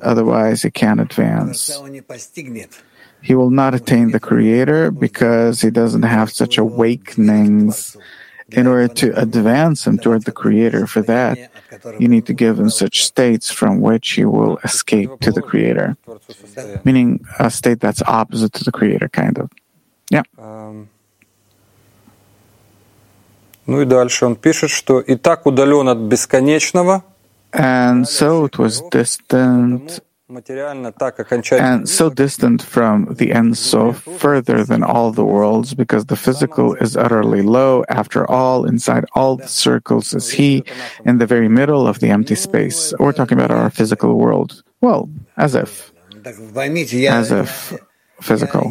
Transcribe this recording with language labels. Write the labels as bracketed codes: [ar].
[en] Otherwise, he can't advance. He will not attain the Creator because he doesn't have such awakenings. In order to advance him toward the Creator, for that, you need to give him such states from which he will escape to the Creator. Meaning a state that's opposite to the Creator, kind of. Yeah. [ru] Ну и дальше он пишет, что и так удален от бесконечного. [en] And so it was distant And so distant from the end, so further than all the worlds, because the physical is utterly low. After all, inside all the circles is He, in the very middle of the empty space. We're talking about our physical world. Well, as if. As if physical.